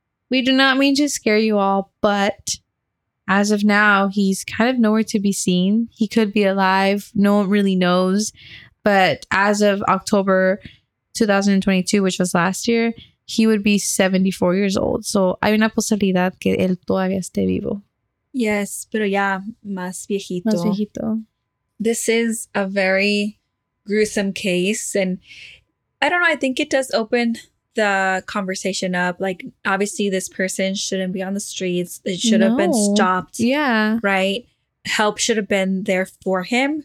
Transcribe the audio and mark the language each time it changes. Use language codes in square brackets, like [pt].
[en] We do not mean to scare you all, but as of now, he's kind of nowhere to be seen. He could be alive. No one really knows. But as of October 2022, which was last year, he would be 74 years old. So [es] hay una posibilidad que él todavía esté vivo. [en] Yes, [es] pero ya más viejito. Más viejito. [en] This is a very gruesome case. And I don't know. I think it does open the conversation up. Like, obviously, this person shouldn't be on the streets. It should have been stopped. Yeah. Right? Help should have been there for him.